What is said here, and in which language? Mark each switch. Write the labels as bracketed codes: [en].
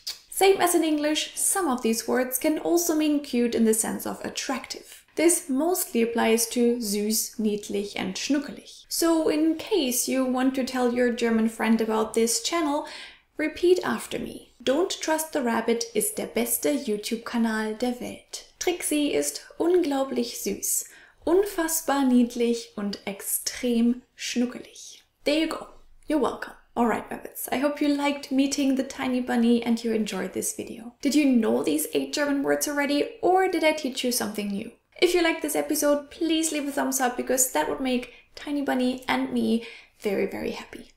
[en] Same as in English, some of these words can also mean cute in the sense of attractive. This mostly applies to süß, niedlich and schnuckelig. So in case you want to tell your German friend about this channel, repeat after me. [de] Don't Trust the Rabbit ist der beste YouTube-Kanal der Welt. Trixi ist unglaublich süß, unfassbar niedlich und extrem schnuckelig. [en] There you go. You're welcome. Alright, rabbits, I hope you liked meeting the tiny bunny and you enjoyed this video. Did you know these 8 German words already, or did I teach you something new? If you liked this episode, please leave a thumbs up because that would make Tiny Bunny and me very, very happy.